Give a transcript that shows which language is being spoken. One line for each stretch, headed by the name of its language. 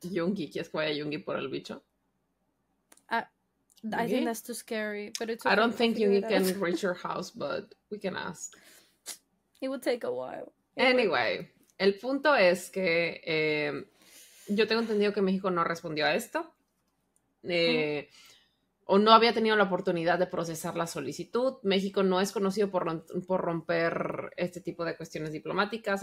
Spanish: Yungi, ¿quieres que vaya Yungi por el bicho?
English: I think that's too scary, but it's okay. I don't think Yungi can reach your house, but we can ask. It would take a while.
Spanish: Anyway, el punto es que yo tengo entendido que México no respondió a esto. O no había tenido la oportunidad de procesar la solicitud. México no es conocido por romper este tipo de cuestiones diplomáticas.